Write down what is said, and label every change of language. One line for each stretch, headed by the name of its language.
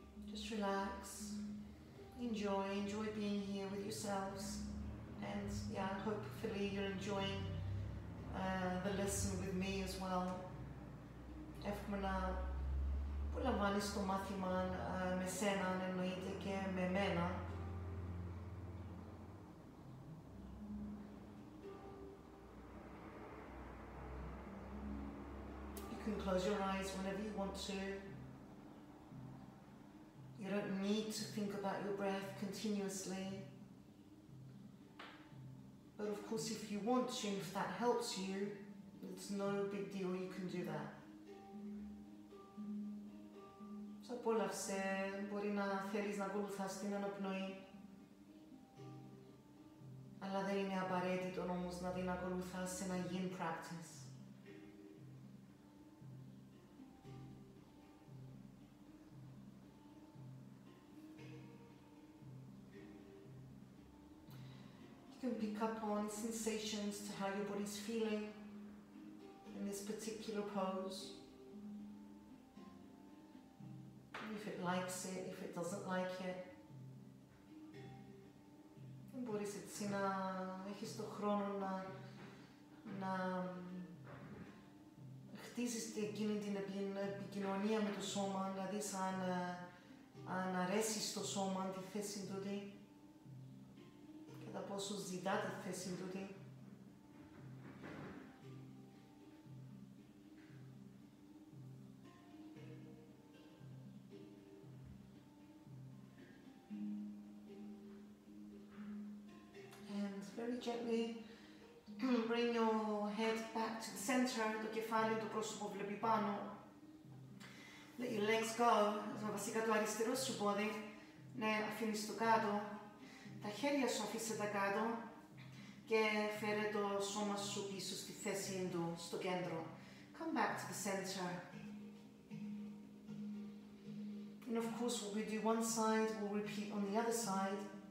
English: Just relax, enjoy being here with yourselves. And yeah, hopefully you're enjoying the lesson with me as well.
Greek: Εύχομαι να απολαμβάνεις το μάθημα με σένα, εννοείται, και με μένα.
English: You can close your eyes whenever you want to. You don't need to think about your breath continuously. But of course, if you want to, if that helps you, it's no big deal, you can do that.
Greek: Σ' απόλαυσε, μπορεί να θέλεις να ακολουθάς την αναπνοή. Αλλά δεν είναι απαραίτητο όμως να την ακολουθάς σε ένα yin practice.
English: You can pick up on sensations to how your body's feeling in this particular pose. If it likes it, if it doesn't like it.
Greek: Then μπορείς έτσι να έχεις το χρόνο να χτίσεις εκείνη την επικοινωνία με το σώμα, να δεις αν αρέσει στο σώμα τη θέση του τι. Κατά πόσο ζητά τη θέση του τι.
English: Very gently bring your head back to the center.
Greek: Το κεφάλι, το πρόσωπο βλέπει πάνω.
English: Let your legs go.
Greek: Βασικά το αριστερό σου πόδι, ναι, αφήνεις το κάτω. Τα χέρια σου αφήσε τα κάτω και φέρε το σώμα σου πίσω στη θέση του, στο κέντρο.
English: Come back to the center. And of course, what we do one side, we'll repeat on the other side.